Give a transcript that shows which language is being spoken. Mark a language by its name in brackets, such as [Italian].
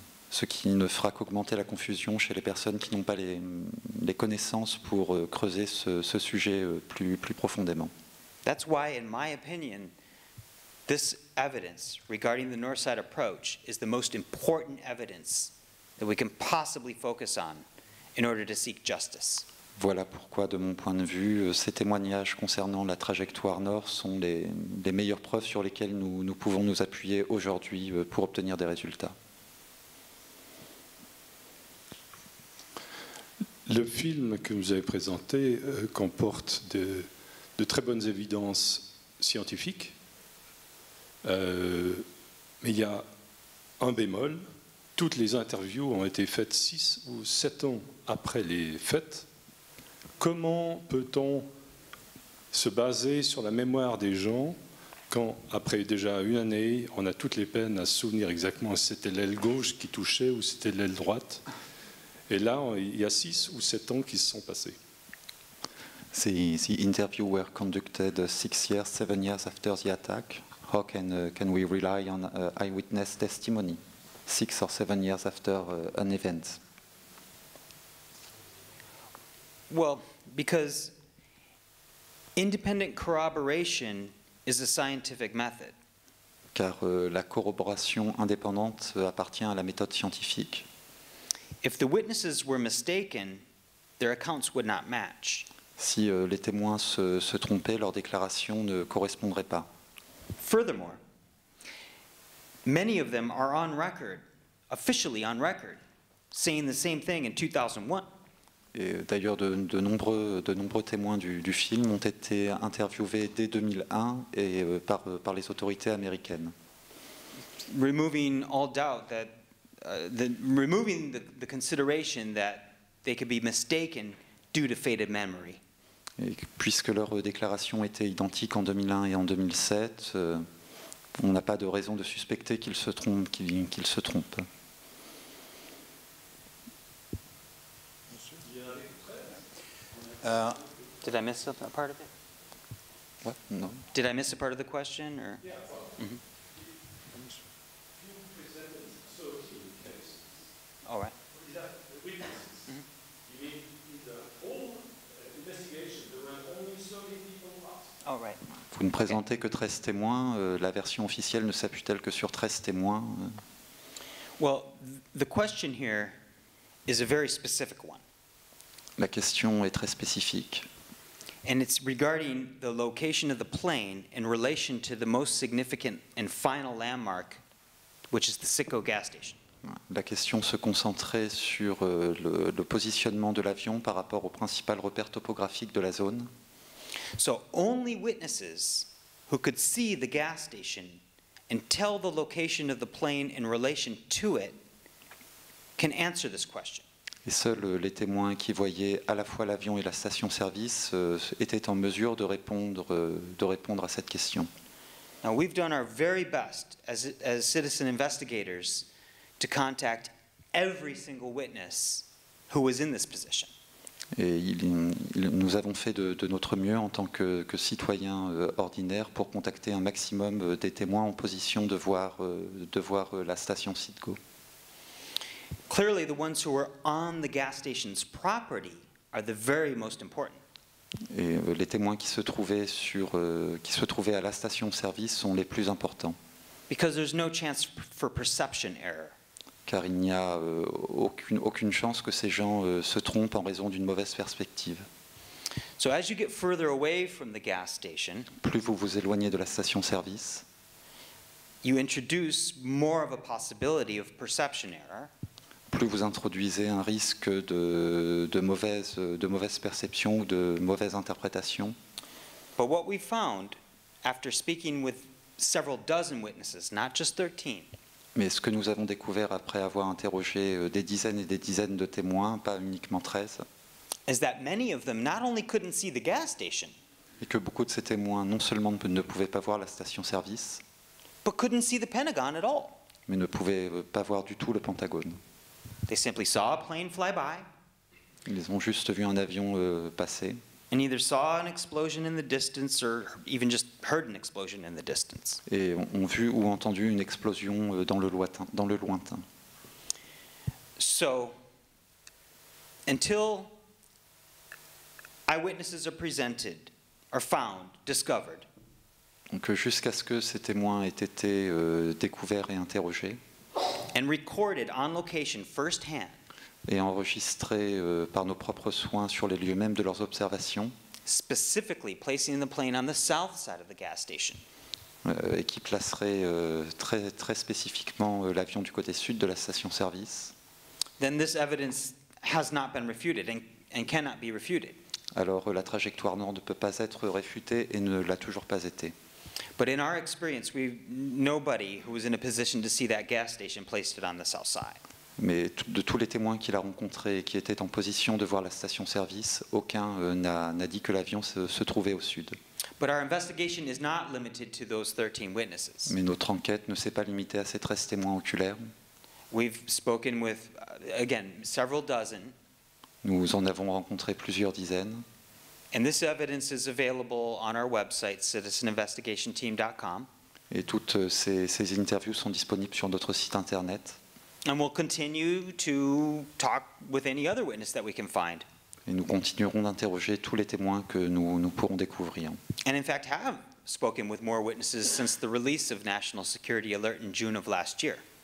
[French] Ce qui ne fera qu'augmenter la confusion chez les personnes qui n'ont pas les connaissances pour creuser ce sujet plus profondément. [English] That's why, in my opinion, this evidence regarding the Northside approach is the most important evidence that we can possibly focus on in order to seek justice. [French] Voilà pourquoi, de mon point de vue, ces témoignages concernant la trajectoire nord sont les meilleures preuves sur lesquelles nous pouvons nous appuyer aujourd'hui pour obtenir des résultats. Le film que vous avez présenté comporte de très bonnes évidences scientifiques, mais il y a un bémol. Toutes les interviews ont été faites 6 ou 7 ans après les faits. Comment peut-on se baser sur la mémoire des gens quand, après déjà une année, on a toutes les peines à se souvenir exactement si c'était l'aile gauche qui touchait ou c'était l'aile droite? Et là, il y a 6 ou 7 ans qui se sont passés. [English] The interview were conducted 6 years, 7 years after the attack. How can we rely on eyewitness testimony 6 or 7 years after an event? Well, because independent corroboration is a scientific method. [French] Car la corroboration indépendante appartient à la méthode scientifique. [English] If the witnesses were mistaken, their accounts would not match. [French] Si les témoins se trompaient, leurs déclarations ne correspondraient pas. [English] Furthermore, many of them are on record, officially on record, saying the same thing in 2001. [French] Et d'ailleurs, de nombreux témoins du film ont été interviewés dès 2001 et par les autorités américaines. [English] Removing all doubt that removing the consideration that they could be mistaken due to faded memory. [French] Et puisque leurs déclarations étaient identiques en 2001 et en 2007, on n'a pas de raison de suspecter qu'ils se trompent. [English] Did I miss a part of it? What? No. Did I miss a part of the question? Or? Yeah. Well, mm-hmm. You presented 13 cases. All right. Is that the witnesses? Mm-hmm. You mean in the whole investigation there were only 13 people lost? All right. [French] Vous ne présentez que 13 témoins. La version officielle ne s'appuie-t-elle que sur 13 témoins? [English] Well, the question here is a very specific one. [French] La question est très spécifique. [English] And it's regarding the location of the plane in relation to the most significant and final landmark, which is the Sitco gas station. [French] La question se concentrait sur le positionnement de l'avion par rapport au principal repère topographique de la zone. [English] So only witnesses who could see the gas station and tell the location of the plane in relation to it can answer this question. [French] Et seuls les témoins qui voyaient à la fois l'avion et la station-service étaient en mesure de répondre à cette question. [English] Now, we've done our very best as citizen investigators to contact every single witness who was in this position. [French] Et nous avons fait de notre mieux en tant que citoyens ordinaires pour contacter un maximum des témoins en position de voir la station Citgo. [English] Clearly, the ones who were on the gas station's property are the very most important. [French] Et les témoins qui se trouvaient à la station service sont les plus importants. [English] Because there's no chance for perception error. [French] Car il n'y a aucune chance que ces gens se trompent en raison d'une mauvaise perspective. [English] So as you get further away from the gas station, [French] plus vous vous éloignez de la station service, [English] you introduce more of a possibility of perception error. [French] Plus vous introduisez un risque de mauvaise perception ou de mauvaise interprétation. [English] But what we found after speaking with several dozen witnesses, not just 13. [French] Mais ce que nous avons découvert après avoir interrogé des dizaines et des dizaines de témoins, pas uniquement 13, [English] is that many of them not only couldn't see the gas station, [French] et que beaucoup de ces témoins non seulement ne pouvaient pas voir la station service, [English] but couldn't see the Pentagon at all. [French] Mais ne pouvaient pas voir du tout le Pentagone. [English] They simply saw a plane fly by. [French] Ils ont juste vu un avion passer. [English] And either saw an explosion in the distance or even just heard an explosion in the distance. [French] Et ont vu ou entendu une explosion dans le lointain. [English] So, until eyewitnesses are presented, are found, discovered. [French] Donc jusqu'à ce que ces témoins aient été découverts et interrogés. [English] And recorded on location firsthand. [French] Et enregistré par nos propres soins sur les lieux mêmes de leurs observations. [English] Specifically placing the plane on the south side of the gas station. [French] Et qui placerait très très spécifiquement l'avion du côté sud de la station service. [English] Then this evidence has not been refuted and cannot be refuted. [French] Alors la trajectoire nord ne peut pas être réfutée et ne l'a toujours pas été. [English] But in our experience, nobody who was in a position to see that gas station placed it on the south side. [French] Mais de tous les témoins qu'il a rencontrés et qui étaient en position de voir la station service, aucun n'a dit que l'avion se trouvait au sud. [English] But our investigation is not limited to those 13 witnesses. [French] Mais notre enquête ne s'est pas limitée à ces 13 témoins oculaires. [English] We've spoken with, again, several dozen. [French] Nous en avons rencontré plusieurs dizaines. [English] And this evidence is available on our website, citizeninvestigationteam.com. [French] Et toutes ces interviews sont disponibles sur notre site internet. [English] And we'll continue to talk with any other witness that we can find. [French] Et nous continuerons d'interroger tous les témoins que nous pourrons découvrir. [English] And in fact, have spoken with more witnesses since the release of National Security Alert in June of last year.